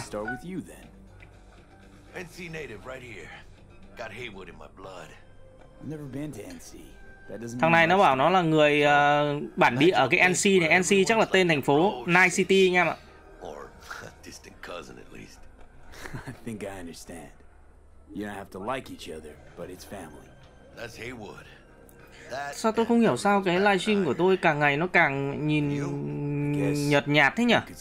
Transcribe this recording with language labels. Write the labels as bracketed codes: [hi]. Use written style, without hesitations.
[en] Start with you, then. NC native right here. Got Haywood in my blood. I've never been to NC. [vi] Thằng này nó bảo nó là người bản địa ở cái NC này. NC chắc là tên thành phố, Night City anh em ạ. [en] Or a distant cousin at least. I think I understand. You don't have to like each other, but it's family. That's Haywood. [vi] Sao tôi không hiểu sao cái livestream của tôi càng ngày nó càng nhìn nhợt nhạt thế nhỉ?